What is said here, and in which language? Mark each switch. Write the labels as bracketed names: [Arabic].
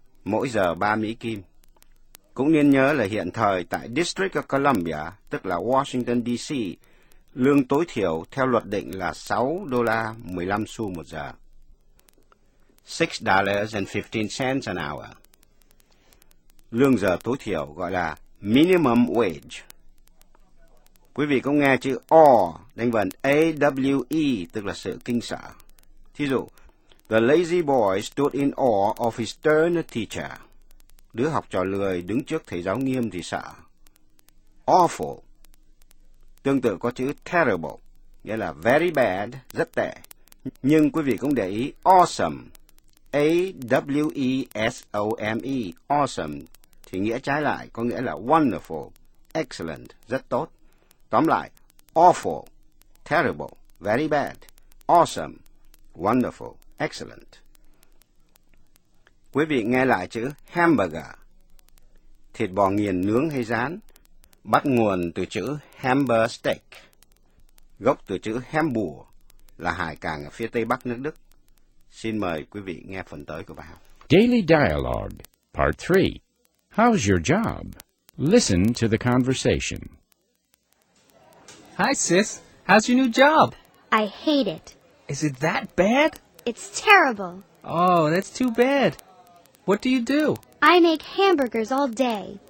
[Vietnamese] mỗi giờ 3 Mỹ Kim. Cũng nên nhớ là hiện thời tại District of Columbia, tức là Washington DC, lương tối thiểu theo luật định là $6.15 một giờ. [English] $6.15 an hour. [Vietnamese] Lương giờ tối thiểu gọi là minimum wage. Quý vị cũng nghe chữ awe, đánh vần A-W-E, tức là sự kinh sợ. Thí dụ, [English] the lazy boy stood in awe of his stern teacher. [Vietnamese] Đứa học trò lười đứng trước thầy giáo nghiêm thì sợ. Awful. Tương tự có chữ terrible, nghĩa là [English] very bad, [Vietnamese] rất tệ. Nhưng quý vị cũng để ý awesome. A-W-E-S-O-M-E, awesome, thì nghĩa trái lại có nghĩa là [English] wonderful, excellent, [Vietnamese] rất tốt. Tóm lại, [English] awful, terrible, very bad, awesome, wonderful, excellent. [Vietnamese] Quý vị nghe lại chữ hamburger, thịt bò nghiền nướng hay rán, bắt nguồn từ chữ hamburger steak, gốc từ chữ Hamburg là hải cảng ở phía tây bắc nước Đức. Xin mời quý vị nghe phần tới của bài học. [English] Daily Dialogue, Part 3. How's your job? Listen to the conversation. Hi, sis. How's your new job? I hate it. Is it that bad? It's terrible. Oh, that's too bad. What do you do? I make hamburgers all day.